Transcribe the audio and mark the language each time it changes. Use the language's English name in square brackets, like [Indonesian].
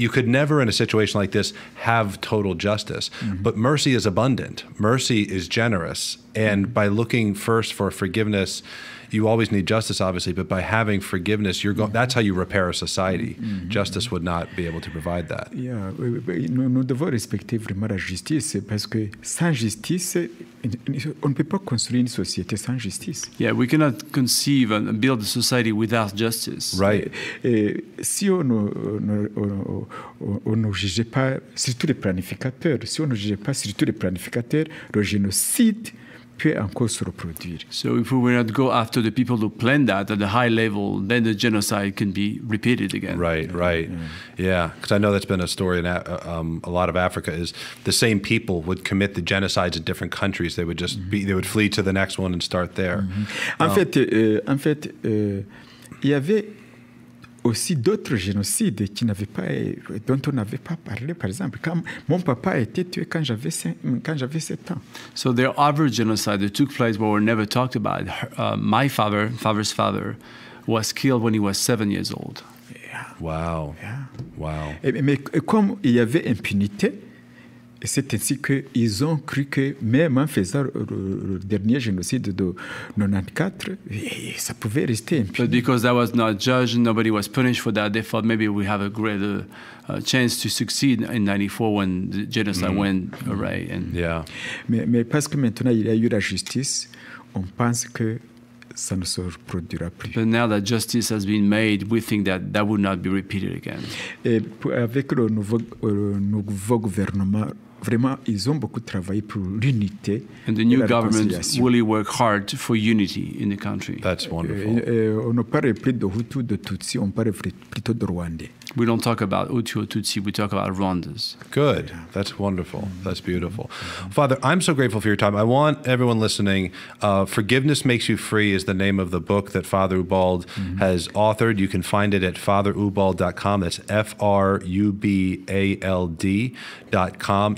[English] You could never in a situation like this have total justice, but mercy is abundant. Mercy is generous. And by looking first for forgiveness, you always need justice, obviously, but by having forgiveness, that's how you repair a society. Mm-hmm. Justice would not be able to provide that. [French] Yeah, nous devons respecter vraiment la justice parce que sans justice, on ne peut pas construire une société sans justice. [English] Yeah, we cannot conceive and build a society without justice. Right. [French] Si on ne juge pas surtout les planificateurs, le génocide peut encore se reproduire. [English] So if we will not go after the people who planned that at a high level, then the genocide can be repeated again. Right, right. Yeah, because I know that's been a story in a lot of Africa, is the same people would commit the genocides in different countries. They would just they would flee to the next one and start there. Mm-hmm. [French] En fait, y avait aussi d'autres génocides qui n'avaient pas, dont on n'avait pas parlé. Par exemple, quand mon papa a été tué quand j'avais 7 ans. [English] So there are other genocides that took place but were never talked about. My father's father, was killed when he was 7 years old. Yeah. Wow. [French] Mais comme il y avait impunité, Et c'est ainsi qu'ils ont cru que même en faisant le dernier génocide de 94, ça pouvait rester impuni. [English] But because that was not judged, nobody was punished for that, they thought maybe we have a greater chance to succeed in 94 when the genocide went awry. And yeah. [French] Mais parce que maintenant il y a eu la justice, on pense que ça ne se reproduira plus. [English] But now that justice has been made, we think that that would not be repeated again. [French] Et avec le nouveau gouvernement, vraiment, ils ont beaucoup travaillé pour l'unité. [English] And the new government really worked hard for unity in the country. That's wonderful. [French] On ne parle plus de Hutu, de Tutsi, on parle plutôt de Rwandais. [English] We don't talk about Hutu or Tutsi, we talk about Rwandans. Good. Yeah. That's wonderful. Mm-hmm. That's beautiful. Mm-hmm. Father, I'm so grateful for your time. I want everyone listening, Forgiveness Makes You Free is the name of the book that Father Ubald has authored. You can find it at fatherubald.com. That's FRUBALD.com.